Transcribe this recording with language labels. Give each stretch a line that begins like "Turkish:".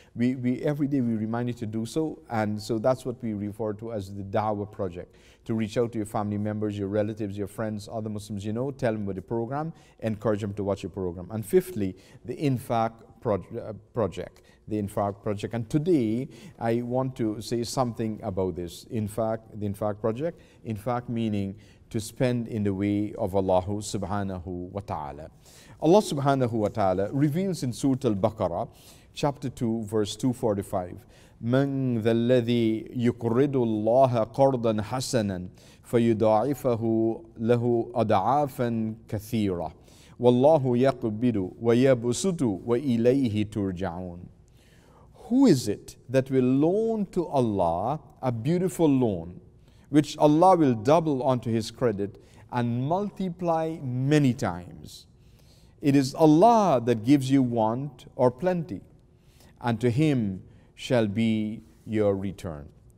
English: We every day we remind you to do so, and so that's what we refer to as the Da'wah project, to reach out to your family members, your relatives, your friends, other Muslims, tell them about the program, encourage them to watch your program. And fifthly, the infaq project. The infaq project. And today I want to say something about this infaq project. Infaq meaning to spend in the way of Allah subhanahu wa ta'ala. Allah subhanahu wa ta'ala reveals in Surah Al-Baqarah, chapter 2, verse 245,
Arabic: مَنْ ذَا الَّذِي يُقْرِدُ اللَّهَ قَرْضًا حَسَنًا فَيُضَاعِفَهُ لَهُ أَضْعَافًا كَثِيرًا وَاللَّهُ يَقْبِدُ وَيَبُسُطُ وَإِلَيْهِ تُرْجَعُونَ.
English: Who is it that will loan to Allah a beautiful loan, which Allah will double onto his credit and multiply many times? It is Allah that gives you want or plenty, and to Him shall be your return.